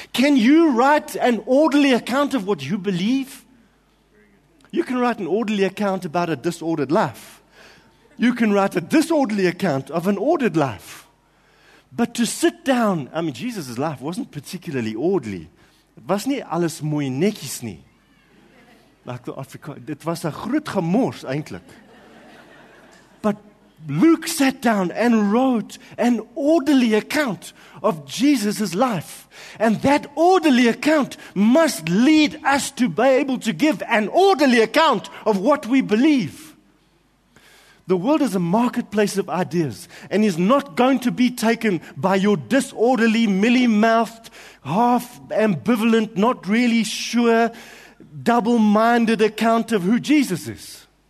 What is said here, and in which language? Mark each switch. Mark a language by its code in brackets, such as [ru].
[en] Can you write an orderly account of what you believe? You can write an orderly account about a disordered life. You can write a disorderly account of an ordered life. But to sit down, I mean, Jesus' life wasn't particularly orderly. It was [af] nie alles mooi netjies nie. [en] Like the Afrikaans, [af] dit was 'n groot gemors eintlik. [en] Luke sat down and wrote an orderly account of Jesus' life. And that orderly account must lead us to be able to give an orderly account of what we believe. The world is a marketplace of ideas and is not going to be taken by your disorderly, mealy-mouthed, half-ambivalent, not really sure, double-minded account of who Jesus is.